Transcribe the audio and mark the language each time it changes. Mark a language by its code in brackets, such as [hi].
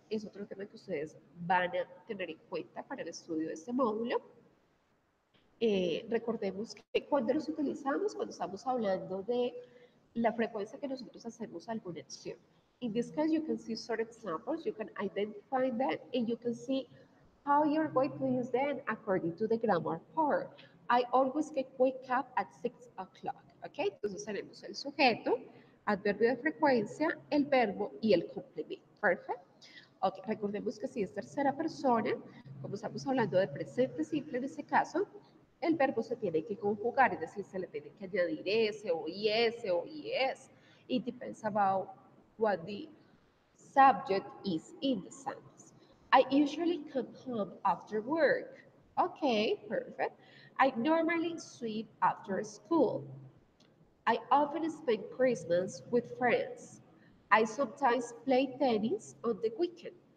[es] Es otro tema que ustedes van a tener en cuenta para el estudio de este módulo. Recordemos que cuando los utilizamos, cuando estamos hablando de la frecuencia que nosotros hacemos alguna acción. [en] In this case, you can see some examples, you can identify them, and you can see how you're going to use them according to the grammar part. I always get wake up at 6 o'clock. Okay? [es] Entonces tenemos el sujeto, adverbio de frecuencia, el verbo y el complemento. [en] Perfect. Okay. [es] Recordemos que si es tercera persona, como estamos hablando de presente simple en este caso, el verbo se tiene que conjugar, es decir, se le tiene que añadir ese o yes. [en] It depends about what the subject is in the sentence. I usually come home after work. Okay, perfect. I normally sleep after school. I often spend Christmas with friends. I sometimes play tennis on the weekend.